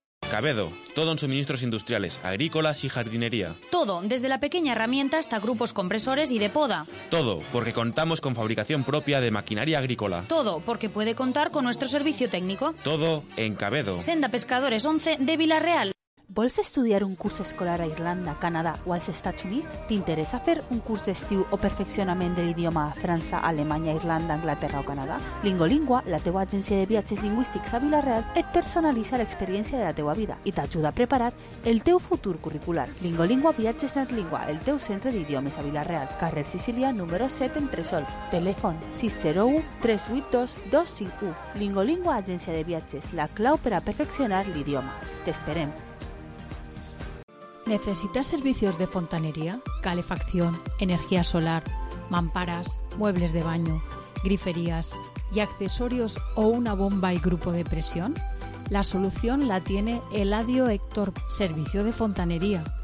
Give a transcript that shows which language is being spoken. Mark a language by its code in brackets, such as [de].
[es] Cabedo, todo en suministros industriales, agrícolas y jardinería. Todo, desde la pequeña herramienta hasta grupos compresores y de poda. Todo, porque contamos con fabricación propia de maquinaria agrícola. Todo, porque puede contar con nuestro servicio técnico. Todo en Cabedo. Senda Pescadores 11 de Vila-real. [ca] ¿Vols estudiar un curs escolar a Irlanda, Canadà o als Estats Units? T'interessa fer un curs d'estiu o perfeccionament de l'idioma a França, Alemanya, Irlanda, Anglaterra o Canadà? Lingolingua, la teua agència de viatges lingüístics a Vila-real, et personalitza l'experiència de la teua vida i t'ajuda a preparar el teu futur curricular. Lingolingua Viatges Netlingua, el teu centre d'idiomes a Vila-real. Carrer Sicília, número 7, Entresol. Telèfon 601-382-251. Lingolingua, agència de viatges, la clau per a perfeccionar l'idioma. T'esperem. [es] ¿Necesitas servicios de fontanería, calefacción, energía solar, mamparas, muebles de baño, griferías y accesorios o una bomba y grupo de presión? La solución la tiene Eladio Héctor, servicio de fontanería.